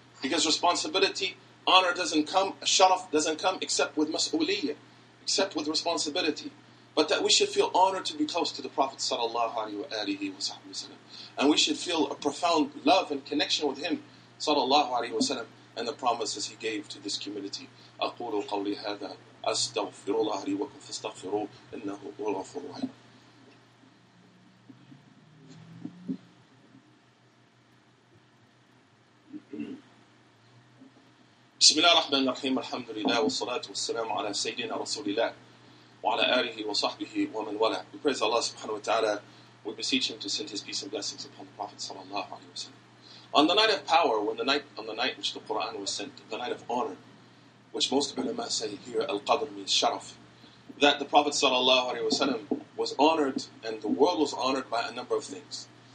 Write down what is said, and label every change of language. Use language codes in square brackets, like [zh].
[en] Because responsibility, honor doesn't come, sharaf doesn't come except with mas'uliyyah, except with responsibility. But that we should feel honored to be close to the Prophet sallallahu alaihi wasallam, and we should feel a profound love and connection with him sallallahu alaihi wasallam, and the promises he gave to this community. [ar] أقول قولي هذا أستغفر الله لي وكم فاستغفروا إنه هو الغفور الرحيم. بسم الله الرحمن الرحيم الحمد لله والصلاة والسلام على سيدنا رسول الله. [en] We praise Allah subhanahu wa ta'ala. We beseech him to send his peace and blessings upon the Prophet sallallahu alayhi wa sallam. On the night of power, on the night which the Quran was sent, the night of honor, which most ulama say here, al-qadr means sharaf, that the Prophet sallallahu alayhi wa sallam was honored and the world was honored by a number of things.